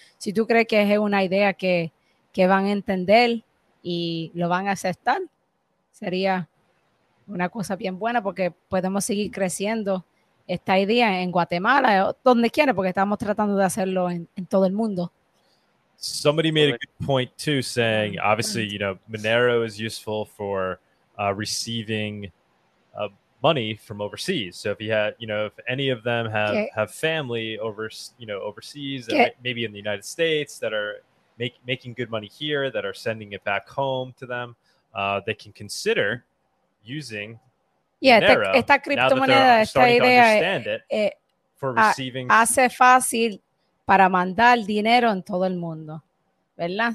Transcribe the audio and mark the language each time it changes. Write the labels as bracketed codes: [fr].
[es] Si tú crees que es una idea que van a entender y lo van a aceptar, sería... una cosa bien buena porque podemos seguir creciendo esta idea en Guatemala o donde quiera porque estamos tratando de hacerlo en todo el mundo. [en] Somebody made a good point too, saying obviously, you know, Monero is useful for receiving money from overseas. So if you had, you know, if any of them have family overseas, maybe in the United States that are making good money here, that are sending it back home to them, they can consider using [es] esta criptomoneda, esta idea hace fácil para mandar dinero en todo el mundo, ¿verdad?